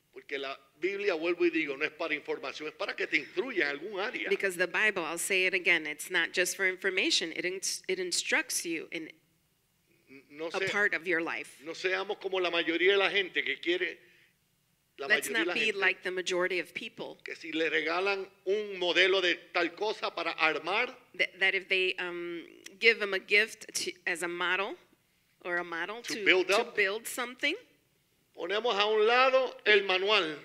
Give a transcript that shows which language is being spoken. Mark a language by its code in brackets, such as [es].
[es] Porque la Biblia, vuelvo y digo, no es para información, es para que te instruya en algún área. [en] Because the Bible, I'll say it again, it's not just for information, it instructs you in a part of your life. [es] No seamos como la mayoría de la gente que quiere. [en] Let's not be like the majority of people. [es] Que si le regalan un modelo de tal cosa para armar. [en] That if they give them a gift as a model or a model to build something. [es] Ponemos a un lado el manual.